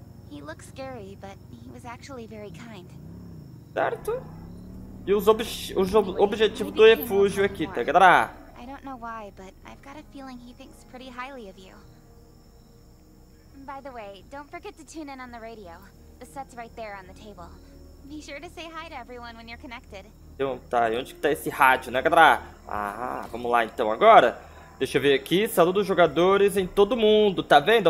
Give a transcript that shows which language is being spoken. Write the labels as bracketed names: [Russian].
[English] He looked scary, but he was actually very kind. [Portuguese] Certo? E os objetivos do refúgio aqui, tá, galera? [English] I don't know why, but I've got a feeling he thinks pretty highly of you. By the way, don't forget to tune in on the radio. The set's right there on the table. Be sure to say hi to everyone when you're connected. [Portuguese] Então, tá, e onde que tá esse rádio, né, galera? Ah, vamos lá então agora. Deixa eu ver aqui, saludo jogadores em todo mundo, tá vendo?